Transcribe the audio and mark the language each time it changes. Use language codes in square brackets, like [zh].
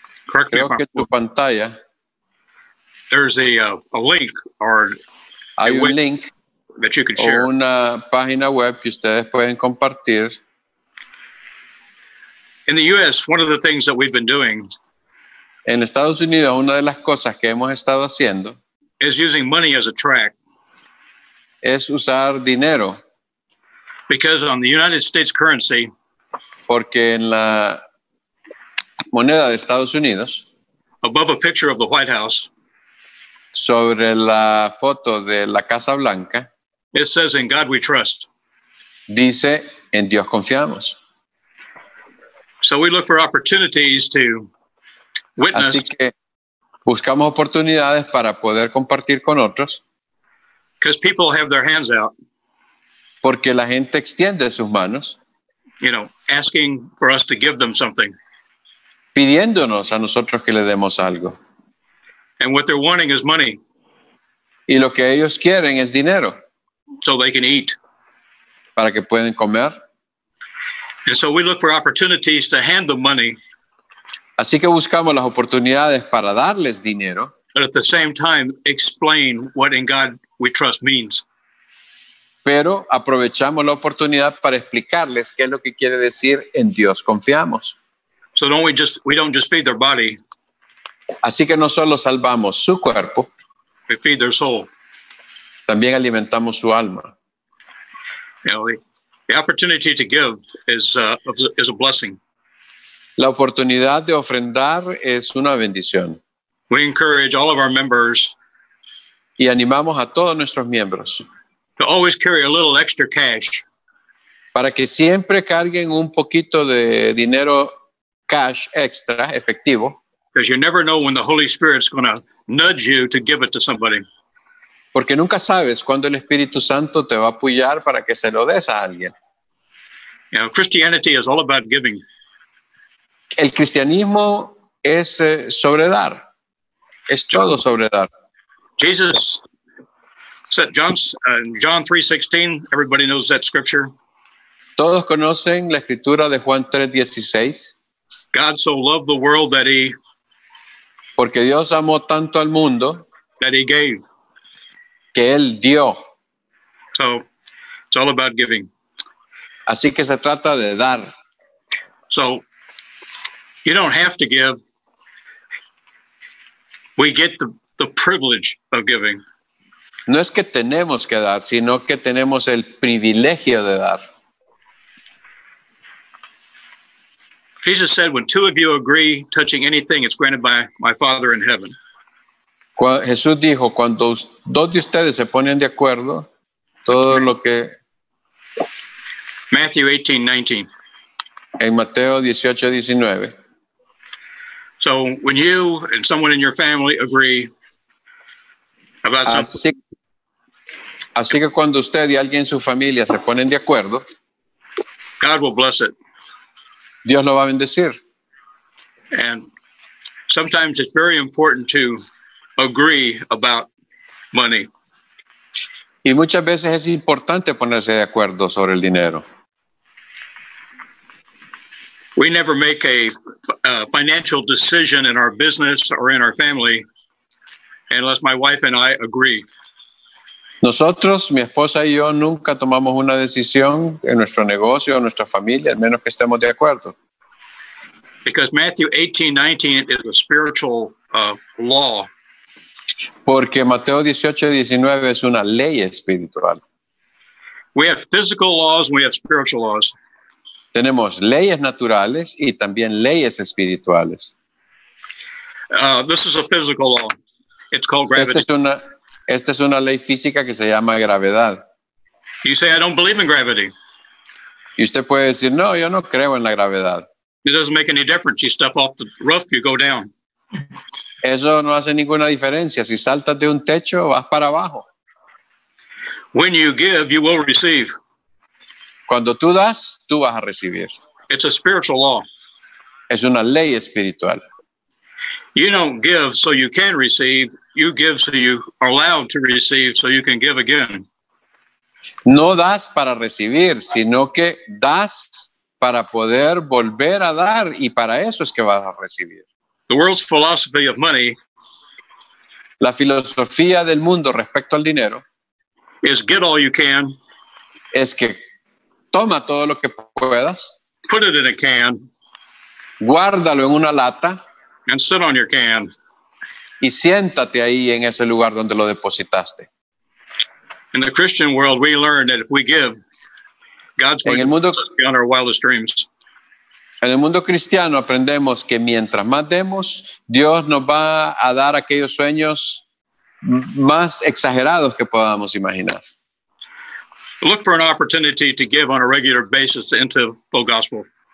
[en] correct me. [es] Creo que tu pantalla. [en] There's a link or [es] hay un link [en] that you can share. [es] Una página web que ustedes pueden compartir. [en] In the U.S., one of the things that we've been doing. [es] En Estados Unidos, una de las cosas que hemos estado haciendo [en] is using money as a track. [es] Es usar dinero. [en] Because on the United States currency. [es] Porque en la moneda de Estados Unidos. [en] Above a picture of the White House. [es] Sobre la foto de la Casa Blanca. [en] It says, "In God we trust." [es] Dice, "En Dios confiamos." [en] So we look for opportunities to witness. [es] Así que buscamos oportunidades para poder compartir con otros. [en] Because people have their hands out. [es] Porque la gente extiende sus manos. [en] You know, asking for us to give them something. [es] pidiéndonos a nosotros que le demos algo. [en] And what they're wanting is money. [es] Y lo que ellos quieren es dinero. [en] So they can eat. [es] Para que puedan comer. [en] And so we look for opportunities to hand them money. [es] Así que buscamos las oportunidades para darles dinero. [en] But at the same time, explain what in God we trust means. [es] Pero aprovechamos la oportunidad para explicarles qué es lo que quiere decir en Dios confiamos. [en] So don't we don't just feed their body. [es] Así que no solo salvamos su cuerpo. [en] We feed their soul. [es] También alimentamos su alma. [en] You know, the opportunity to give is a blessing. [es] La oportunidad de ofrendar es una bendición. [en] We encourage all of our members. [es] Y animamos a todos nuestros miembros. [en] To always carry a little extra cash. [es] Para que siempre carguen un poquito de dinero cash extra, efectivo. [en] Because you never know when the Holy Spirit's going to nudge you to give it to somebody. [es] Porque nunca sabes cuándo el Espíritu Santo te va a apoyar para que se lo des a alguien. [en] You know, Christianity is all about giving. [es] El cristianismo es sobre dar. Es todo sobre dar. [en] Jesus said, John 3:16, everybody knows that scripture. [es] Todos conocen la escritura de Juan 3:16. [en] God so loved the world that he... [es] Porque Dios amó tanto al mundo... [en] That he gave. [es] Que él dio. [en] So, it's all about giving. [es] Así que se trata de dar. [en] So... You don't have to give. We get the privilege of giving. [es] No es que tenemos que dar, sino que tenemos el privilegio de dar. [en] Jesus said, when two of you agree touching anything, it's granted by my Father in heaven. [es] Jesús dijo, cuando dos de ustedes se ponen de acuerdo, todo lo que... [en] Matthew 18:19. [es] En Mateo 18:19. [en] So when you and someone in your family agree about something, [es] así que cuando usted y alguien en su familia se ponen de acuerdo, [en] God will bless it. [es] Dios lo va a bendecir. [en] And sometimes it's very important to agree about money. [es] Y muchas veces es importante ponerse de acuerdo sobre el dinero. [en] We never make a financial decision in our business or in our family unless my wife and I agree. [es] Nosotros, mi esposa y yo, nunca tomamos una decisión en nuestro negocio o en nuestra familia, al menos que estemos de acuerdo. [en] Because Matthew 18:19 is a spiritual law. [es] Porque Mateo 18:19 es una ley espiritual. [en] We have physical laws and we have spiritual laws. [es] Tenemos leyes naturales y también leyes espirituales. [en] This is a physical law. It's called gravity. [es] Esta es una ley física que se llama gravedad. [en] You say, I don't believe in gravity. [es] Y usted puede decir, no, yo no creo en la gravedad. [en] It doesn't make any difference. You step off the roof, you go down. [es] Eso no hace ninguna diferencia. Si saltas de un techo, vas para abajo. [en] When you give, you will receive. [es] Cuando tú das, tú vas a recibir. [en] It's a spiritual law. [es] Es una ley espiritual. [en] You don't give so you can receive. You give so you are allowed to receive so you can give again. [es] No das para recibir, sino que das para poder volver a dar y para eso es que vas a recibir. [en] The world's philosophy of money. [es] La filosofía del mundo respecto al dinero. [en] Is get all you can. [es] Es que toma todo lo que puedas. [en] Put it in a can. [es] Guárdalo en una lata. [en] And sit on your can. [es] Y siéntate ahí en ese lugar donde lo depositaste. [en] In the Christian world, we learn that if we give, God's going to bless us beyond our wildest dreams. [es] En el mundo cristiano aprendemos que mientras más demos, Dios nos va a dar aquellos sueños más exagerados que podamos imaginar. [en] Look for an opportunity to give on a regular basis into the gospel.